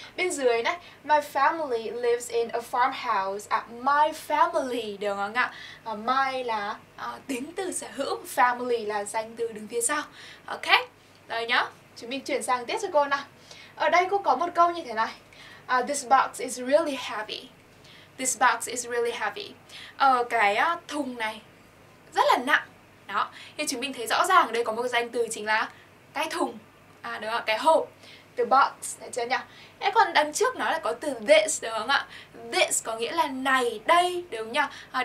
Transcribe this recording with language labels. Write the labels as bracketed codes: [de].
[vi] Bên dưới này, [en] my family lives in a farmhouse at my family, [vi] đúng không ạ? My là tính từ sở hữu, family là danh từ đứng phía sau. Ok, đây nhá, chúng mình chuyển sang tiếp cho cô nào. Ở đây cô có một câu như thế này. [en] This box is really heavy. This box is really heavy. [vi] Cái thùng này rất là nặng. Đó, thì chúng mình thấy rõ ràng ở đây có một danh từ chính là cái thùng, đúng không ạ, cái hộp, the box, thấy chưa nhỉ? Thế còn đằng trước nó là có từ this, đúng không ạ? This có nghĩa là này, đây, đúng không nhỉ?